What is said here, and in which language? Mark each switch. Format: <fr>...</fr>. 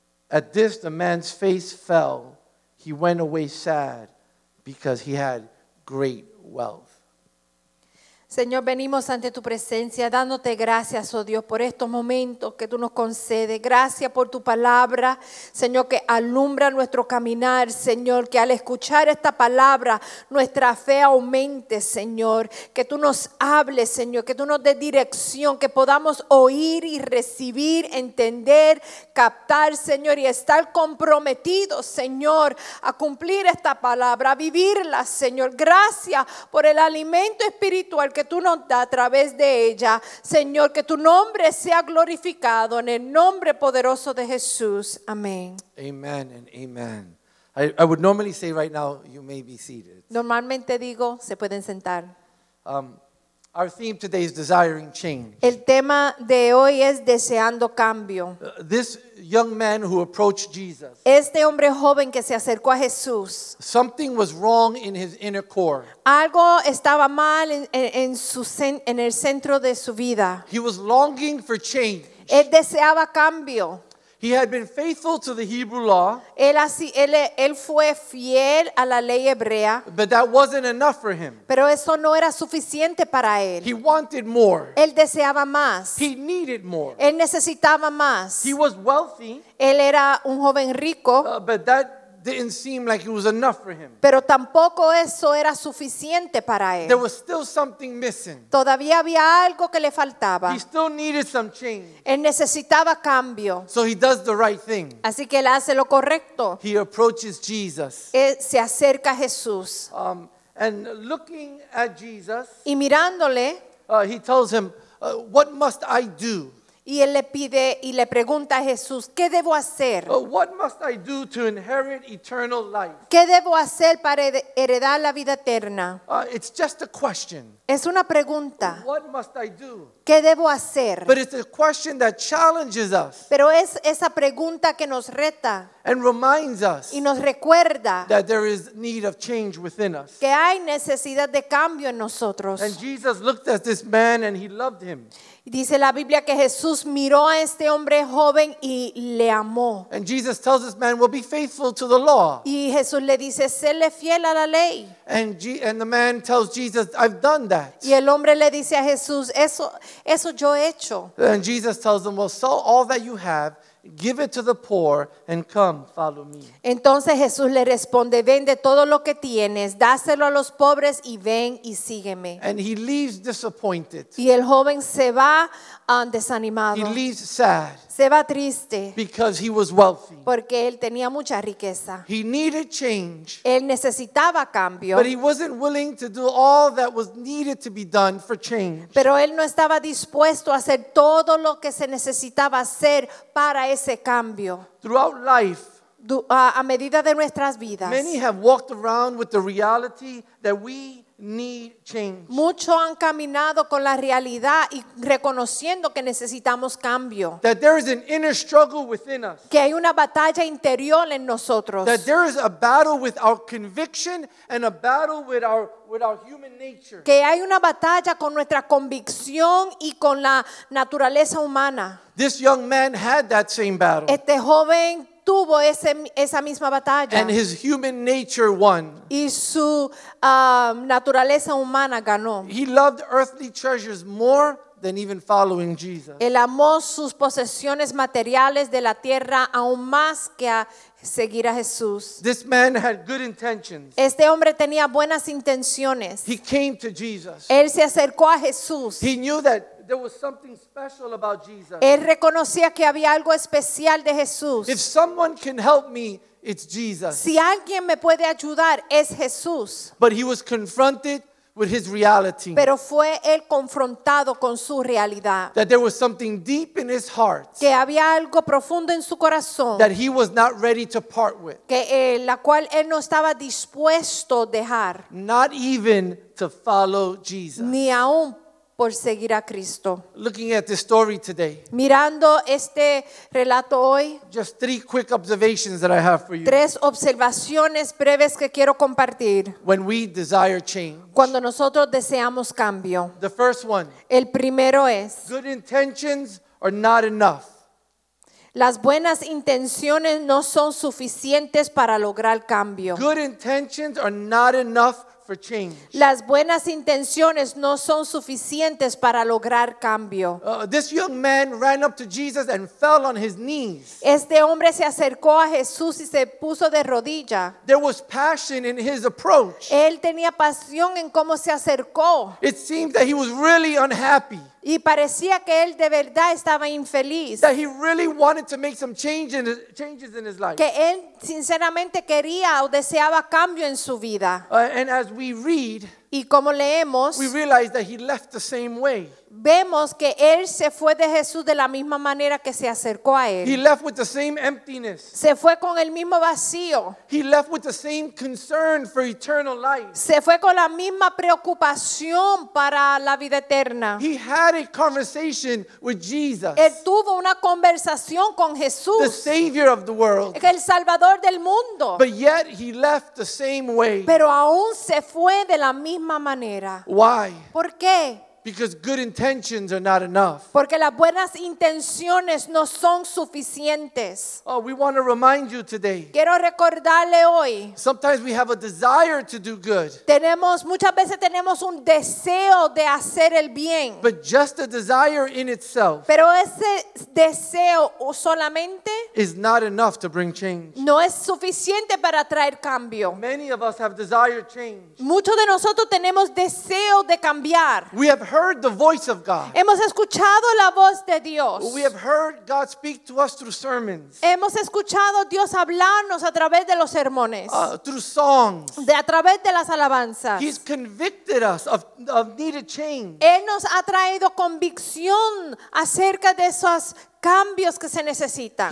<en>At this, the man's face fell. He went away sad because he had great wealth.</en> <es>Señor, venimos ante tu presencia dándote gracias, oh Dios, por estos momentos que tú nos concedes. Gracias por tu palabra, Señor, que alumbra nuestro caminar, Señor, que al escuchar esta palabra nuestra fe aumente, Señor, que tú nos hables, Señor, que tú nos des dirección, que podamos oír y recibir, entender, captar, Señor, y estar comprometidos, Señor, a cumplir esta palabra, a vivirla, Señor. Gracias por el alimento espiritual que tú nos da a través de ella, Señor, que tu nombre sea glorificado en el nombre poderoso de Jesús. Amén.</es> <en>Amen and amen. I would normally say right now, you may be seated.</en> <es>Normalmente digo, se pueden sentar.</es> <en>Our theme today is desiring change.</en> <es>El tema de hoy es deseando cambio.</es> <en>This young man who approached Jesus.</en> <es>Este hombre joven que se acercó a Jesús.</es> <en>Something was wrong in his inner core.</en> <es>Algo estaba mal en el centro de su vida.</es> <en>He was longing for change.</en> <es>Él deseaba cambio.</es> <en>He had been faithful to the Hebrew law.</en> <es>Él fue fiel a la ley hebrea.</es> <en>But that wasn't enough for him.</en> <es>Pero eso no era suficiente para él.</es> <en>He wanted more.</en> <es>Él deseaba más.</es> <en>He needed more.</en> <es>Él necesitaba más.</es> <en>He was wealthy.</en> <es>Él era un joven rico.</es> <en>But that didn't seem like it was enough for him.</en> <es>Pero tampoco eso era suficiente para él.</es> <en>There was still something missing.</en> <es>Todavía había algo que le faltaba.</es> <en>He still needed some change.</en> <es>Él necesitaba cambio.</es> <en>So he does the right thing.</en> <es>Así que él hace lo correcto.</es> <en>He approaches Jesus.</en> <es>Él se acerca a Jesús.</es> <en>And looking at Jesus,</en> <es>y mirándole,</es> <en>he tells him, what must I do?</en> <es>Y él le pide y le pregunta a Jesús, ¿qué debo hacer?</es> <en>What must I do to inherit eternal life?</en> <es>¿Qué debo hacer para heredar la vida eterna?</es> <en>It's just a question.</en> <es>Es una pregunta.</es> <en>What must I do?</en> <es>¿Qué debo hacer?</es> <en>But it's a question that challenges us.</en> <es>Pero es esa pregunta que nos reta.</es> <en>And reminds us.</en> <es>Y nos recuerda.</es> <en>That there is need of change within us.</en> <es>Que hay necesidad de cambio en nosotros.</es> <en>And Jesus looked at this man and he loved him.</en> <es>Dice la Biblia que Jesús miró a este hombre joven y le amó.</es> <en>And Jesus tells this man, "Will be faithful to the law."</en> <es>Y Jesús le dice, "Séle fiel a la ley."</es> <en>And the man tells Jesus, "I've done that."</en> <es>Y el hombre le dice a Jesús, "Eso yo he hecho."</es> <en>And Jesus tells him, "Well, sell all that you have, give it to the poor, and come follow me."</en> <es>Entonces Jesús le responde, "Vende todo lo que tienes, dáselo a los pobres y ven y sígueme."</es> <en>And he leaves disappointed.</en> <es>Y el joven se va desanimado.</es> <en>He leaves sad.</en> <es>Se va triste.</es> <en>Because he was wealthy.</en> <es>Porque él tenía mucha riqueza.</es> <en>He needed change.</en> <es>Él necesitaba cambio.</es> <en>But he wasn't willing to do all that was needed to be done for change.</en> <es>Pero él no estaba dispuesto a hacer todo lo que se necesitaba hacer para ese cambio.</es> <en>Throughout life,</en> <es>a medida de nuestras vidas,</es> <en>many have walked around with the reality that we need change.</en> <es>Muchos han caminado con la realidad y reconociendo que necesitamos cambio.</es> <en>That there is an inner struggle within us.</en> <es>Que hay una batalla interior en nosotros.</es> <en>That there is a battle with our conviction and a battle with our human nature.</en> <es>Que hay una batalla con nuestra convicción y con la naturaleza humana.</es> <en>This young man had that same battle.</en> <es>Este joven tuvo esa misma batalla.</es> <en>And his human nature won.</en> <es>Y su naturaleza humana ganó.</es> <en>He loved earthly treasures more than even following Jesus.</en> <es>Él amó sus posesiones materiales de la tierra aún más que a seguir a Jesús.</es> <en>This man had good intentions.</en> <es>Este hombre tenía buenas intenciones.</es> <en>He came to Jesus.</en> <es>Él se acercó a Jesús.</es> <en>He knew that there was something special about Jesus.</en> <es>Él reconocía que había algo especial de Jesús.</es> <en>If someone can help me, it's Jesus.</en> <es>Si alguien me puede ayudar, es Jesús.</es> <en>But he was confronted with his reality.</en> <es>Pero fue él confrontado con su realidad.</es> <en>That there was something deep in his heart.</en> <es>Que había algo profundo en su corazón.</es> <en>That he was not ready to part with.</en> <es>Que la cual él no estaba dispuesto a dejar.</es> <en>Not even to follow Jesus.</en> <es>Ni aún por seguir a Cristo.</es> <en>Looking at the story today.</en> <es>Mirando este relato hoy.</es> <en>Just three quick observations that I have for you.</en> <es>Tres observaciones breves que quiero compartir.</es> <en>When we desire change.</en> <es>Cuando nosotros deseamos cambio.</es> <en>The first one.</en> <es>El primero es.</es> <en>Good intentions are not enough.</en> <es>Las buenas intenciones no son suficientes para lograr cambio.</es> <en>Good intentions are not enough. For change.</en> <es>Las buenas intenciones no son suficientes para lograr cambio.</es> <en>This young man ran up to Jesus and fell on his knees.</en> <es>Este hombre se acercó a Jesús y se puso de rodilla.</es> <en>There was passion in his approach.</en> <es>Él tenía pasión en cómo se acercó.</es> <en>It seemed that he was really unhappy.</en> <es>Y parecía que él de verdad estaba infeliz.</es> <en>That he really wanted to make some changes in his life.</en> <es>Que él sinceramente quería o deseaba cambio en su vida.</es> <en>And as we read,</en> <es>y como leemos,</es> <en>we realize that he left the same way.</en> <es>Vemos que él se fue de Jesús de la misma manera que se acercó a él.</es> <en>He left with the same emptiness.</en> <es>Se fue con el mismo vacío.</es> <en>He left with the same concern for eternal life.</en> <es>Se fue con la misma preocupación para la vida eterna.</es> <en>He had a conversation with Jesus.</en> <es>Él tuvo una conversación con Jesús.</es> <en>The Savior of the world.</en> <es>El Salvador del mundo.</es> <en>But yet he left the same way.</en> <es>Pero aún se fue de la misma manera.</es> <en>Why?</en> <es>¿Por qué?</es> <en>Because good intentions are not enough.</en> <es>Porque las buenas intenciones no son suficientes.</es> <en>Oh, we want to remind you today.</en> <es>Quiero recordarle hoy.</es> <en>Sometimes we have a desire to do good.</en> <es>Tenemos muchas veces tenemos un deseo de hacer el bien.</es> <en>But just a desire in itself.</en> <es>Pero ese deseo solamente</es> <en>is not enough to bring change.</en> <es>No es suficiente para traer cambio.</es> <en>Many of us have desired change.</en> <es>Muchos de nosotros tenemos deseo de cambiar.</es> <en>We have heard the voice of God.</en> <es>Hemos escuchado la voz de Dios.</es> <en>We have heard God speak to us through sermons.</en> <es>Hemos escuchado Dios hablarnos a través de los sermones.</es> <en>Through songs.</en> <es>De a través de las alabanzas.</es> <en>He's convicted us of needed change.</en> <es>Él nos ha traído convicción acerca de esos cambios que se necesitan.</es>